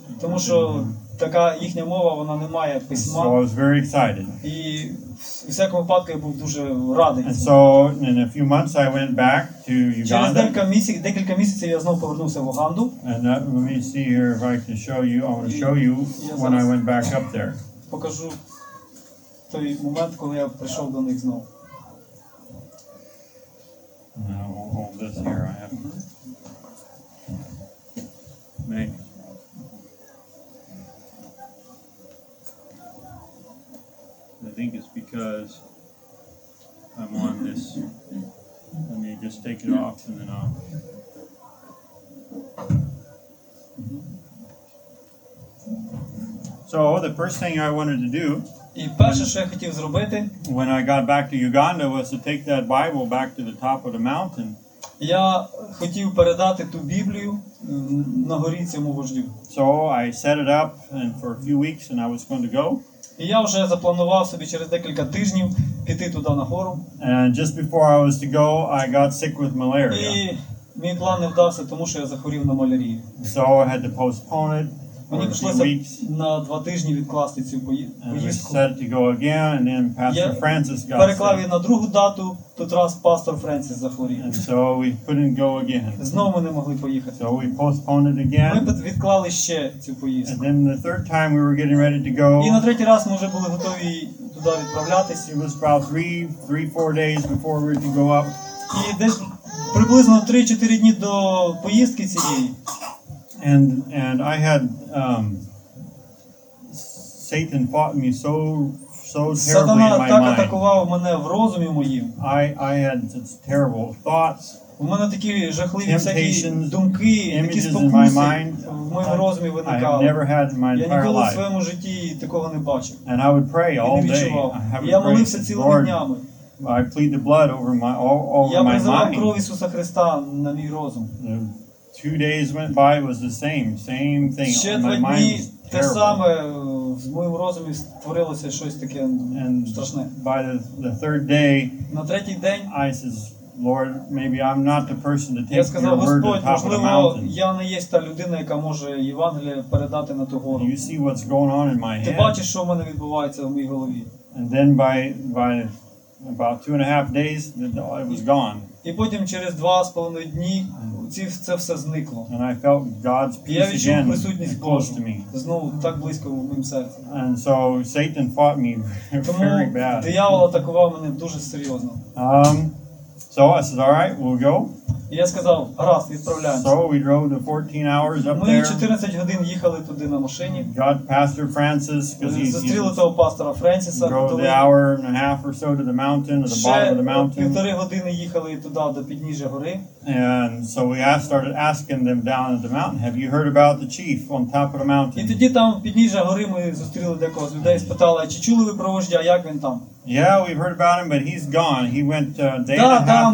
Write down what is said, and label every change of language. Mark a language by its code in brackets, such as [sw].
[uk] Тому що така їхня мова, вона не має письма. [en] So I was very excited. [uk] І в всякому випадку я був дуже радий. [en] And so in a few months I went back to Uganda. [uk] Через декілька місяців я знову повернувся в Уганду. [en] And that, let me see here if I can show you. I want to show you when I went back up there. [uk] Покажу той момент, коли я прийшов до них знову. [en] Now we'll hold this here. I have I think it's because I'm on this. Let me just take it off and then I'll. So the first thing I wanted to do. [uk] І перше, що я хотів зробити, [en] when I got back to Uganda, was to take that Bible back to the top of the mountain. [uk] Я хотів передати ту Біблію на горі цьому вождю. [en] So I set it up and for a few weeks and I was going to go. [uk] І я вже запланував собі через декілька тижнів піти туди на гору. [en] And just before I was to go, I got sick with malaria. [uk] І мій план не вдався, тому що я захворів на малярію. [en] So I had to postpone it. [uk] Мені прийшлося на два тижні відкласти цю поїздку. Переклав її на другу дату, тут раз пастор Френсіс захворів. [en] And so we couldn't go again. [uk] Знову ми не могли поїхати. [en] So we postponed it again. [uk] Ми відклали ще цю поїздку. [en] And then the third time we were getting ready to go. [uk] І на третій раз ми вже були готові туди відправлятися. [en] It was about three, four days before we were to go up. [uk] І десь приблизно 3-4 дні до поїздки цієї. [en] And I had Satan fought me so terribly in my mind. [uk] Сатана так атакував мене в розумі моїм. [en] I had such terrible thoughts. [uk] У мене такі жахливі всякі думки, які спокуси в моєму розумі виникали. Я ніколи в своєму житті такого не бачив. [en] And I would pray all day. [uk] Я молився цілими днями. [en] I plead the blood over my all my mind. [uk] Я призивав кров Ісуса Христа на мій розум. [en] 2 days went by, it was the same thing. [uk] Ще [en] my [uk] дні, [en] mind was terrible. [uk] Те саме в моєму розумі створилося щось таке [en] and [uk] страшне. [en] By the third day, [uk] на третій день, [en] I says, Lord, maybe I'm not the person to take [uk] я сказав, [en] your word to the top [uk] можливо, [en] of the mountain. [uk] Я не є та людина, яка може Євангеліє передати на ту гору. [en] You see what's going on in my head. [uk] Ти бачиш, що в мене відбувається в моїй голові. [en] And then by about 2.5 days, it was gone. [uk] І потім через 2.5 дні це все зникло. [en] And I felt God's peace again. [uk] Я відчув присутність [en] close to me. [uk] Знову так близько в моєму серці. [en] And so Satan fought me very bad. [uk] Диявол атакував мене дуже серйозно. [en] So I said, all right, we'll go. [uk] І я сказав, гаразд, відправляємося. [en] So we drove the 14 hours up there. [uk] Ми 14 годин їхали туди на машині. [en] Got Pastor Francis, because he's [uk] зустріли того пастора Френсіса. [en] Drove the hour and a half or so to the mountain, to the bottom of the mountain. [uk] Ще 1.5 години їхали туди, до підніжжя гори. [en] And so we started asking them down at the mountain, have you heard about the chief on top of the mountain? [uk] І тоді там, підніжжя гори, ми зустріли декого з людей, спитали, чи чули ви про вождя, як він там? [en] Yeah, we've heard about him, but he's gone. He went day and a half walk.